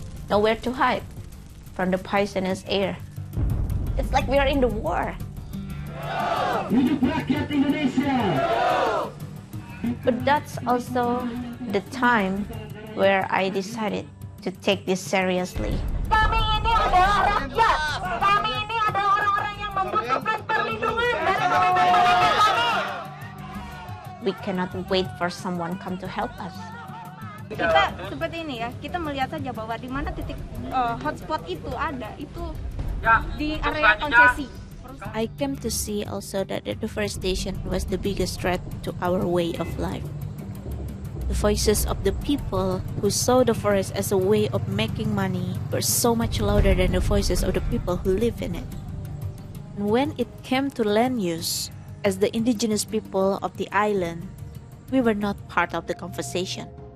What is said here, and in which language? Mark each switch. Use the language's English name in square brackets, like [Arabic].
[English] Nowhere to hide from the poisonous air. It's like we are in the war. [Indonesian] Hidup rakyat Indonesia! [English] But that's also the time where I decided to take this seriously. [Indonesian] Kami ini adalah rakyat. Kami ini adalah orang-orang yang membutuhkan perlindungan dari pemerintah kami. [English] We cannot wait for someone come to help us. [Indonesian] Kita seperti ini ya, kita melihat saja bahwa di mana titik hotspot itu ada, itu di area konsesi. [English] I came to see also that the deforestation was the biggest threat to our way of life. The voices of the people who saw the forest as a way of making money were so much louder than the voices of the people who live in it. And when it came to land use, as the indigenous people of the island, we were not part of the conversation.